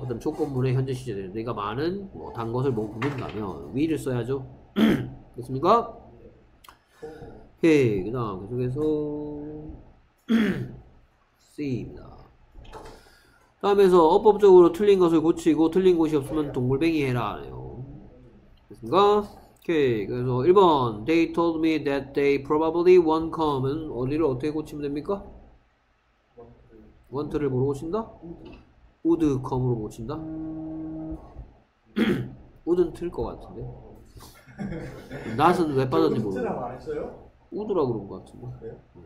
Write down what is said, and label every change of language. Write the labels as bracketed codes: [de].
[ko] 그 다음 조건문의 현재 시제. 내가 많은 뭐, 단 것을 못 굶는다면 will 써야죠. 됐습니까? 오케이. 그 다음 계속해서 C입니다. 다음에서 어법적으로 틀린 것을 고치고 틀린 곳이 없으면 동굴뱅이 해라. 됐습니까? 오케이. 그래서 1번 [en] They told me that they probably won't come. [ko] 어디를 어떻게 고치면 됩니까? 원트를 뭐로 고친다? 우드 컴으로 고친다? 우드는 틀 것 같은데? 낫은 왜 빠졌는지 모르겠어요. 우드라고 안 했어요? 우드라고 그런 것 같은데.